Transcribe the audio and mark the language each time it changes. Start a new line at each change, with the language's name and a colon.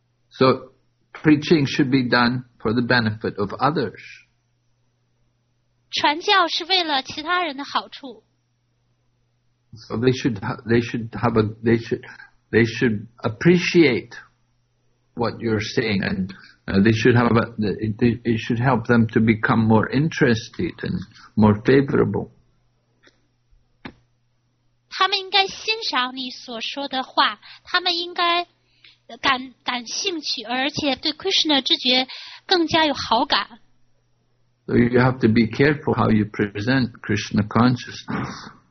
English: So preaching should be done for the benefit of others.
Chinese: 传教是为了其他人的好处。
English: So they should appreciate what you're saying, and it should help them to become more interested and more favorable.
Chinese: 他们应该欣赏你所说的话，他们应该感兴趣，而且对 Krishna 知觉更加有好感。
English: So you have to be careful how you present Krishna consciousness.